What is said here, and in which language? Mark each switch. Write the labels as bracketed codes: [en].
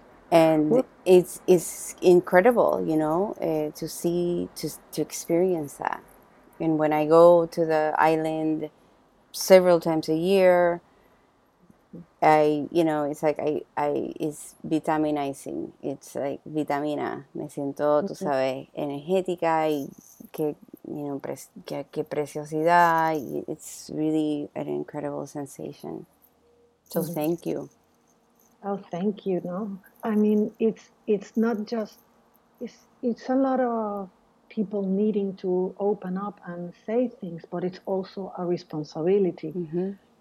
[en] And it's incredible, you know, to experience that. And when I go to the island several times a year, it's vitaminizing. It's like vitamina. Me siento, mm-hmm. [es] tú sabes, energética y que, you know, que preciosidad. [en] It's really an incredible sensation. So mm-hmm. thank you. Oh, thank you. No, I mean, it's not just, it's a lot of people needing to open up and say things, but it's also a responsibility. Mm-hmm.